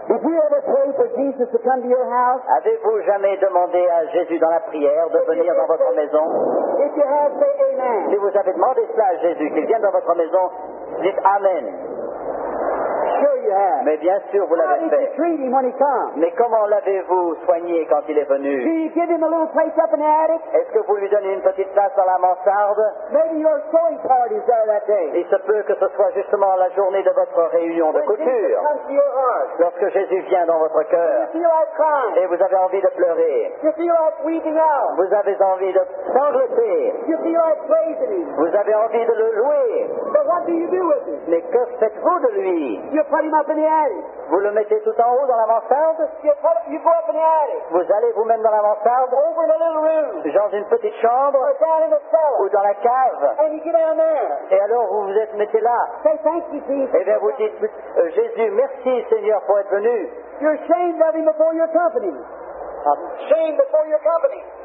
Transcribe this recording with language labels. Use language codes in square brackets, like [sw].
[en] Did you ever pray for Jesus to come to your house? [fr] Avez-vous jamais demandé à Jésus dans la prière de venir dans votre maison? [en] If you have, say amen. [fr] Si vous avez demandé cela à Jésus qu'il vienne dans votre maison, dites amen. Mais bien sûr, vous l'avez [en] How [fr] fait. [en] Did you treat him when he comes? [fr] Mais comment l'avez-vous soigné quand il est venu? [en] Do you give him a little place up in the attic? [fr] Est-ce que vous lui donnez une petite place dans la mansarde? [en] Maybe your sewing party is there that day. [fr] Il se peut que ce soit justement la journée de votre réunion de couture. [en] When Jesus comes to your heart, [fr] lorsque Jésus vient dans votre cœur. [en] Like [fr] et vous avez envie de pleurer. [en] You feel like weeping out. [fr] Vous avez envie de sangloter. [en] You feel like praising him. [fr] Vous avez envie de le louer. [en] But what do you do with him? [fr] Mais que faites-vous de lui? [en] You put him up in the attic. [fr] Vous le mettez tout en haut dans la mansarde. [en] You go up in the attic. [fr] Vous allez vous-même dans la mansarde. [en] Over in a little room. [fr] Dans une petite chambre. [en] Or down in the cellar. [fr] Ou dans la cave. [en] And you get down there. [fr] Et alors vous vous êtes mettez là. [en] Say thank you, Jesus. [fr] Et bien vous dites, Jésus, merci Seigneur pour être venu. [en] You're ashamed of him before your company. Shame before your company.